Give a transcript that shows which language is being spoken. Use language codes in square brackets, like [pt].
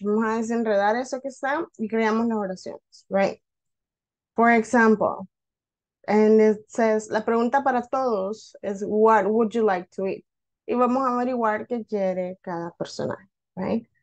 [es] Vamos a desenredar eso que está y creamos las oraciones, right? [en] For example, and it says, [es] la pregunta para todos [en] is, what would you like to eat? [es] Y vamos a averiguar qué quiere cada personaje, right?